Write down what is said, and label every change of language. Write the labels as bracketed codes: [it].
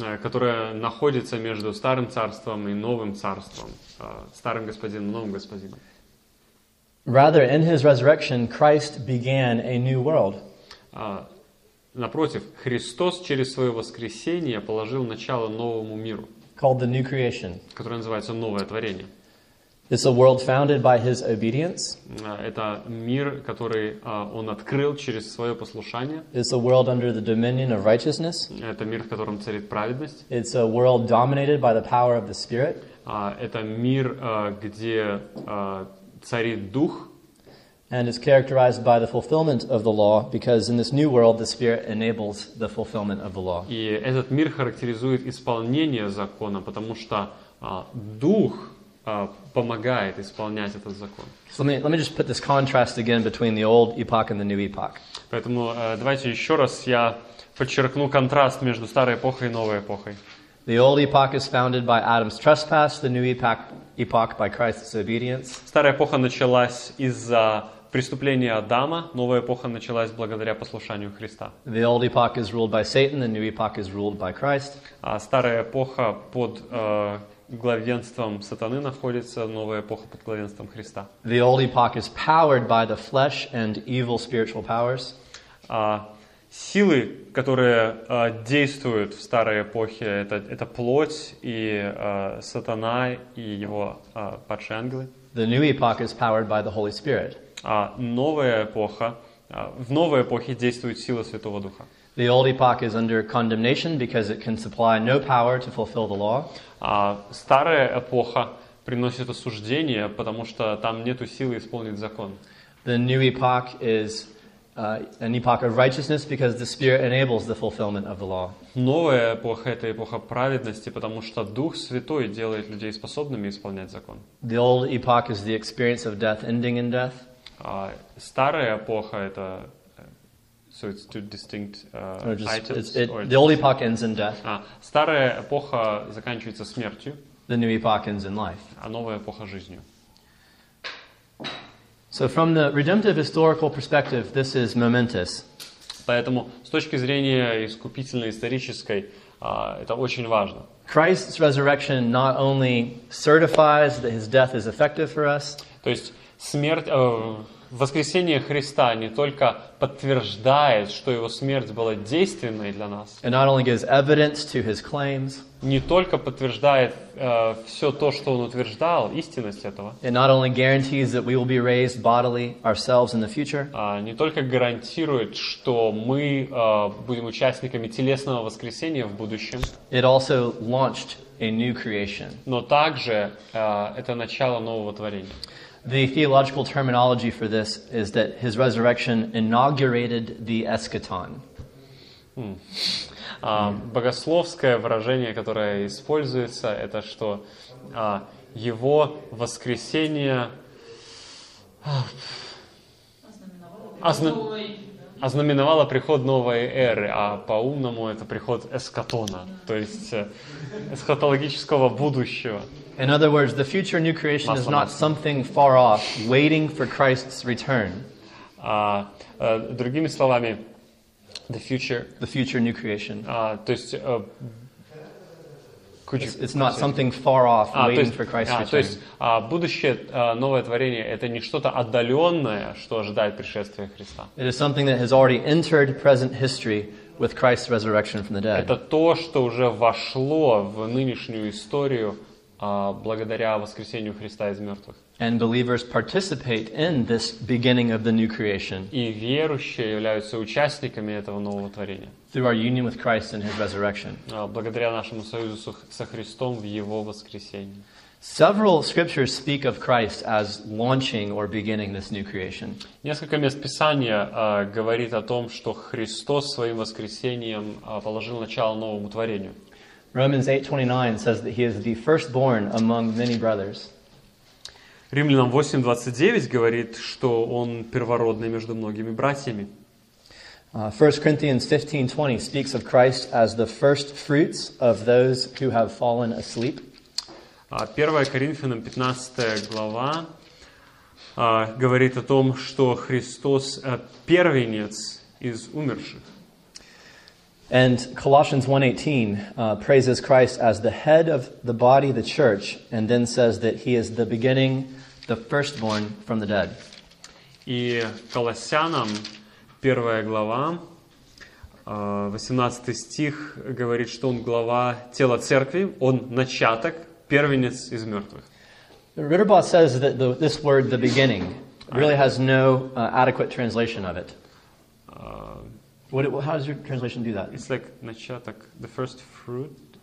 [ru] Которая находится между старым царством и новым царством, старым господином и новым господином. [en] Rather, in his resurrection, Christ began a new world. [ru] Напротив, Христос через свое воскресение положил начало новому миру. [en] Called the new creation. [ru] Которое называется новое творение. [en] It's a world founded by his obedience. [ru] Это мир, который он открыл через свое послушание. [en] It's a world under the dominion of righteousness. [ru] Это мир, в котором царит праведность. [en] It's a world dominated by the power of the Spirit. [ru] Это мир, где царит дух. [en] And it's characterized by the fulfillment of the law, because in this new world the Spirit enables the fulfillment of the law. [ru] И этот мир характеризует исполнение закона, потому что дух помогает исполнять этот закон. [en] So let me just put this contrast again between the old epoch and the new epoch. [ru] Поэтому давайте еще раз я подчеркну контраст между старой эпохой и новой эпохой. [en] The old epoch is founded by Adam's trespass, the new epoch by Christ's obedience. [ru] Старая эпоха началась из-за преступления Адама, новая эпоха началась благодаря послушанию Христа. [en] The old epoch is ruled by Satan, the new epoch is ruled by Christ. [ru] А старая эпоха под главенством сатаны находится новая эпоха под главенством Христа. [en] The old epoch is powered by the flesh and evil spiritual powers. [ru] Силы, которые действуют в старой эпохе, это плоть и сатана и его падшие ангелы. [en] The new epoch is powered by the Holy Spirit. [ru] А новая эпоха В новой эпохе действует сила Святого Духа. [en] The old epoch is under condemnation because it can supply no power to fulfill the law. [ru] Старая эпоха приносит осуждение, потому что там нету силы исполнить закон. [en] The new epoch is an epoch of righteousness because the Spirit enables the fulfillment of the law. [ru] Новая эпоха — это эпоха праведности, потому что Дух Святой делает людей способными исполнять закон. [en] The old epoch is the experience of death ending in death. [ru] Старая эпоха — это... [en] So it's two distinct The old epoch ends in death. [ru] Старая эпоха заканчивается смертью. [en] The new epoch ends in life. [ru] А новая эпоха — жизнью. [en] So from the redemptive historical perspective, this is momentous. [ru] Поэтому с точки зрения искупительно-исторической, это очень важно. [en] Christ's resurrection not only certifies that his death is effective for us. [ru] То есть смерть, воскресение Христа не только подтверждает, что его смерть была действенной для нас. [en] And not only gives evidence to his claims. [ru] Не только подтверждает все то, что он утверждал, истинность этого. [en] It not only guarantees that we will be raised bodily ourselves in the future. [ru] Не только гарантирует, что мы будем участниками телесного воскресения в будущем. [en] It also launched a new creation. [ru] Но также это начало нового творения. [en] The theological terminology for this is that his resurrection inaugurated the eschaton. [ru] Богословское выражение, которое используется, это что его воскресение ознаменовало приход новой эры, а по-умному это приход эскатона, то есть эсхатологического будущего. [en] In other words, the future new creation is not something far off, waiting for Christ's return. [ru] Другими словами, [en] The future new creation. [ru] То есть, [en] it's not something far off, waiting for Christ's return. [ru] То есть, будущее, новое творение, это не что-то отдаленное, что ожидает пришествия Христа. [en] It is something that has already entered present history with Christ's resurrection from the dead. [ru] Это то, что уже вошло в нынешнюю историю благодаря воскресению Христа из мертвых. [en] And believers participate in this beginning of the new creation. [ru] И верующие являются участниками этого нового творения. [en] Through our union with Christ and his resurrection. [ru] Благодаря нашему союзу со Христом в его воскресении. [en] Several scriptures speak of Christ as launching or beginning this new creation. [ru] Несколько мест Писания говорит о том, что Христос своим воскресением положил начало новому творению. [en] Romans 8:29 says that he is the firstborn among many brothers. [ru] Римлянам 8:29 говорит, что он первородный между многими братьями. [en] 1 Corinthians 15:20 speaks of Christ as the first fruits of those who have fallen asleep. [ru] 1 Коринфянам 15 глава говорит о том, что Христос первенец из умерших. [en] And Colossians 1:18 praises Christ as the head of the body, the church, and then says that he is the beginning, the firstborn from the dead. [ru] И Колоссянам, первая глава, 18 стих, говорит, что он глава тела церкви, он начаток, первенец из мертвых. [en] Ritterbaugh says that this word, the beginning, really has no adequate translation of it. How does your translation do that? It's like начаток, the first fruit.